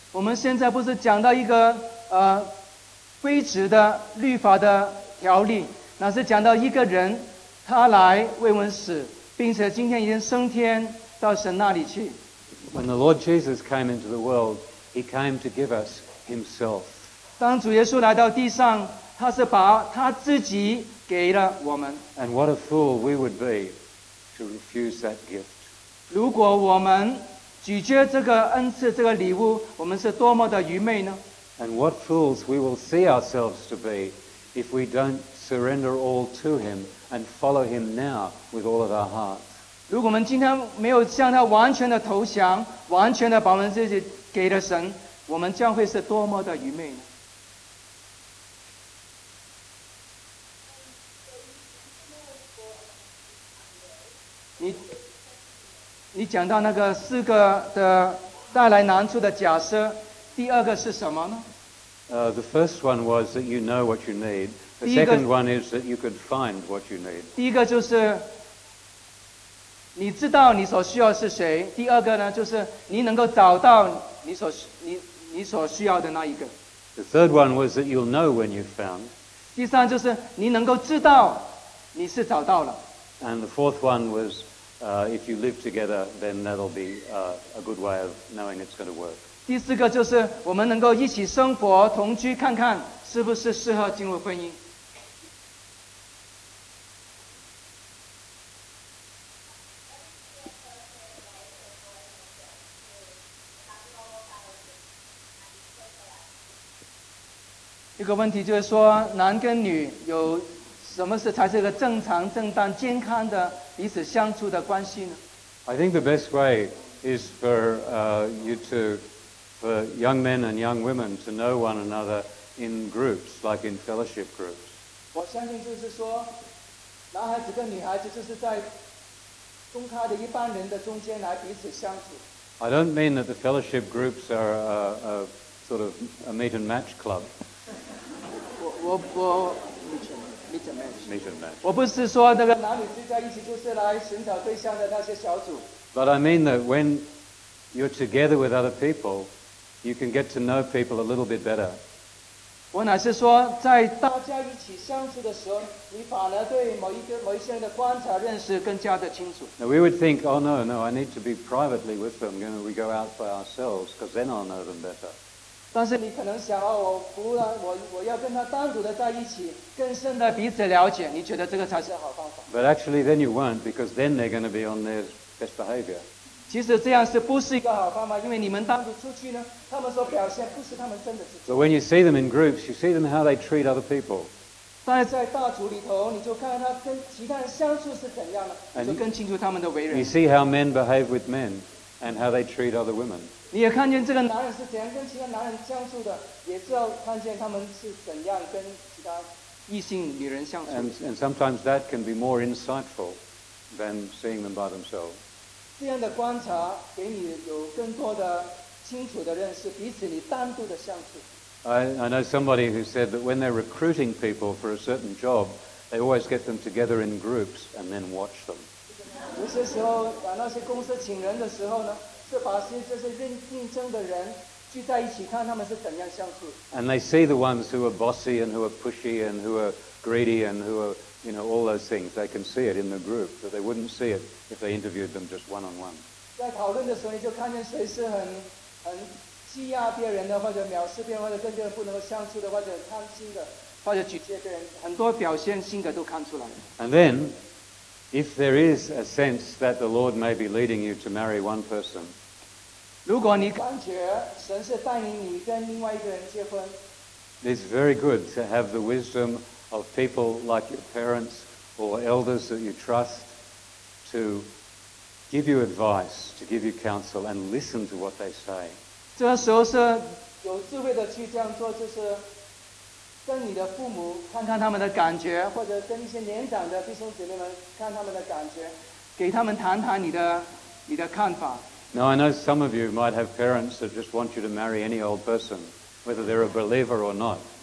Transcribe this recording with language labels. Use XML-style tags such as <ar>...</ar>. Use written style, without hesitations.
<zh>我们现在不是讲到一个规则的律法的条例，那是讲到一个人，他来为我们死，并且今天已经升天到神那里去。</zh> <en>When the Lord Jesus came into the world, He came to give us Himself.</en> <zh>当主耶稣来到地上，他是把他自己给了我们。</zh> <en>And what a fool we would be to refuse that gift.</en> <zh>如果我们拒绝这个恩赐，这个礼物，我们是多么的愚昧呢？</zh> <en>And what fools we will see ourselves to be if we don't surrender all to Him and follow Him now with all of our hearts.</en> <zh>如果我们今天没有向他完全的投降，完全的把我们自己给了神，我们将会是多么的愚昧呢？你讲到那个四个的带来难处的假设，第二个是什么呢？</zh> <en>The first one was that you know what you need. The second one is that you could find what you need.</en> <zh>第一个就是你知道你所需要是谁。第二个呢，就是你能够找到你所需要的那一个。</zh> <en>The third one was that you'll know when you found.</en> <zh>第三就是你能够知道你是找到了。</zh> <en>And the fourth one was,if you live together, then that'll be a good way of knowing it's going to work.</en> <zh>第四个就是我们能够一起生活同居，看看是不是适合进入婚姻。一个问题就是说，男跟女有。什么是才是一个正常、正当、健康的彼此相处的关系呢</zh> <en>？I think the best way is for you to, for young men and young women to know one another in groups, like in fellowship groups.</en> <zh>我相信就是说，男孩子跟女孩子就是在公开的一般人的中间来彼此相处。</zh> <en>I don't mean that the fellowship groups are a sort of a meet and match club.</en> <zh>我。</zh> <en>Meet and match.</en> <zh>我不是说那个男女聚在一起就是来寻找对象的那些小组。</zh> <en>But I mean that when you're together with other people, you can get to know people a little bit better.</en> <zh>我乃是说，在大家一起相处的时候，你反而对某一些人的观察认识更加的清楚。</zh> <en>Now we would think, oh no, I need to be privately with them. You know, we go out by ourselves because then I'll know them better.</en> <zh>但是你可能想哦，我要跟他单独的在一起，更深的彼此了解，你觉得这个才是好方法。</zh> <en>But actually, then you won't, because then they're going to be on their best behavior.</en> <zh>其实这样是不是一个好方法？因为你们单独出去呢，他们所表现不是他们真的自己。</zh> <en>But when you see them in groups, you see them how they treat other people.</en> <zh>但是在大组里头，你就看他跟其他人相处是怎样的，你就更清楚他们的为人。</zh> <en>You see how men behave with men. and how they treat other women.</en> <zh>你也看见这个男人是怎样跟其他男人相处的，也知道看见他们是怎样跟其他异性女人相处的。</zh> <en>And sometimes that can be more insightful than seeing them by themselves.</en> <zh>这样的观察给你有更多的清楚的认识，彼此你单独的相处。</zh> <en>I know somebody who said that when they're recruiting people for a certain job, they always get them together in groups and then watch them.</en> <zh>有些时候，把那些公司请人的时候呢，是把这些竞争的人聚在一起，看他们是怎样相处。</zh> <en>And they see the ones who are bossy and who are pushy and who are greedy and who are, you know, all those things. They can see it in the group, but they wouldn't see it if they interviewed them just one on one.</en> <zh>在讨论的时候，你就看见谁是很。欺压别人的，或者藐视别人，或者跟别人不能够相处的，或者贪心的，或者拒绝别人，很多表现性格都看出来。</zh> <en>And then, if there is a sense that the Lord may be leading you to marry one person,</en> <zh>如果你感觉神是带领你跟另外一个人结婚，</zh> <en>it's very good to have the wisdom of people like your parents or elders that you trust to give you advice, to give you counsel, and listen to what they say.</en> <zh>这个时候是有智慧的去这样做，就是跟你的父母看看他们的感觉，或者跟一些年长的弟兄姐妹们看他们的感觉，给他们谈谈你的看法。</zh> <en>Now I know some of you might have parents that just want you to marry any old person, whether they're a believer or not.</en>